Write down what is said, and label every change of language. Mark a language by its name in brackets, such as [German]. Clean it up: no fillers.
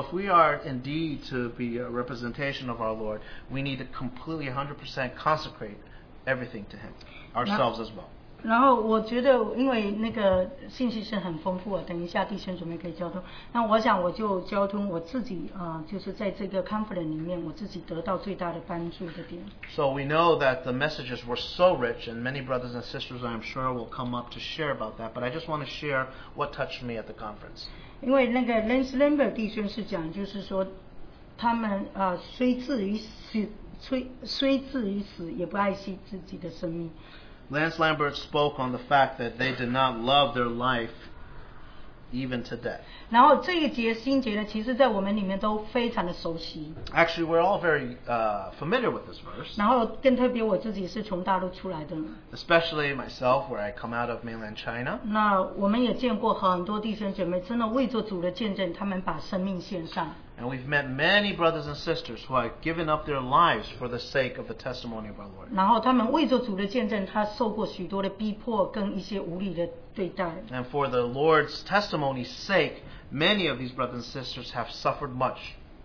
[English] if we are indeed to be a representation of our Lord, we need to completely 100% consecrate everything to Him, ourselves as well. [Chinese] 然后我觉得因为那个信息是很丰富的，等一下弟兄准备可以交通。那我想我就交通我自己，就是在这个 [English] confident [Chinese] 里面，我自己得到最大的帮助的点。 [English] So we know that the messages were so rich, and many brothers and sisters, I'm sure, will come up to share about that. But I just want to share what touched me at the conference. [Chinese] 因为那个 Lance Lambert 弟兄是讲，就是说他们虽至于死，也不爱惜自己的生命。 [English] Lance Lambert spoke on the fact that they did not love their life even to death. [Chinese] 然后这一节新节的其实在我们里面都非常的熟悉。 [English] Actually, we're all very familiar with this verse. [Chinese] 然后更特别我自己是从大陆出来的。 [English] Especially myself, where I come out of mainland China. [Chinese] 那我们也见过很多弟兄姐妹真的为做主的见证，他们把生命献上。 [English] And we've met many brothers and sisters who have given up their lives for the sake of the testimony of our Lord. [Chinese] 然后他们为着主的见证，他受过许多的逼迫跟一些无理的对待。 [English] And for the Lord's testimony's sake, many of these brothers and sisters have suffered much.